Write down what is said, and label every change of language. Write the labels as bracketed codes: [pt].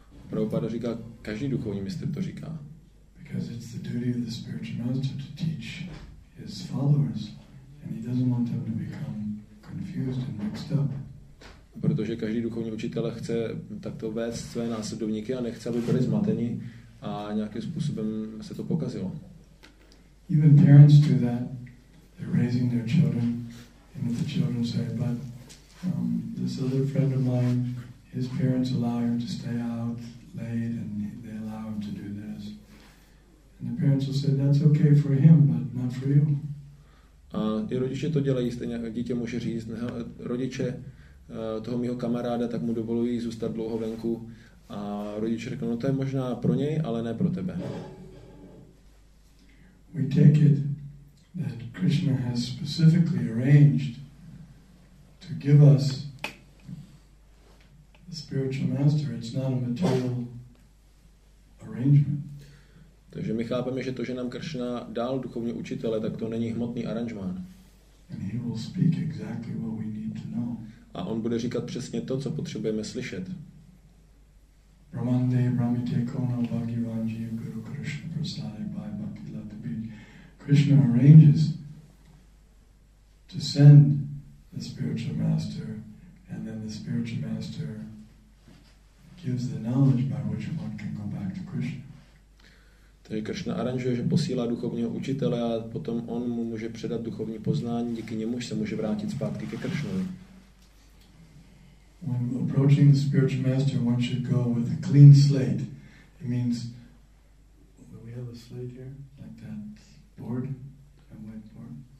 [cs] Prabhupada říká, každý duchovní mistr to říká. [en] Because it's the duty of the spiritual master to teach his followers, and he doesn't want them to become confused and mixed up. [cs] Protože každý duchovní učitel chce takto vést své následovníky a nechce, aby byli zmateni a nějakým způsobem se to pokazilo. [en] Even parents do that. They're raising their children, and the children say, but this other friend of mine, his parents allow him to stay out late and they allow him to do this. And the parents will say, that's okay for him, but not for you. [cs] A ty rodiče to dělají, stejně jak dítě může říct, rodiče toho mýho kamaráda, tak mu dovolují zůstat dlouho venku. A rodiče řekl, no to je možná pro něj, ale ne pro tebe. [en] We take it that Krishna has specifically arranged to give us a spiritual master. It's not a material arrangement. [cs] Takže my chápeme, že to, že nám Kršna dal duchovní učitele, tak to není hmotný aranžmán. [en] And he will speak exactly what we need to know. [cs] A on bude říkat přesně to, co potřebujeme slyšet. [sa] Brahmande brahmite kona bhagivan jiva guru krishna prasade bhai bhakti lata bhij. [en] Krishna arranges to send the spiritual master, and then the spiritual master gives the knowledge by which one can go back to Krishna. [cs] Takže Krishna aranžuje, že posílá duchovního učitele a potom on mu může předat duchovní poznání, díky němuž se může vrátit zpátky ke Krishnovi. [en] When approaching the spiritual master, one should go with a clean slate. It means We have a slate here, like that board, that white board.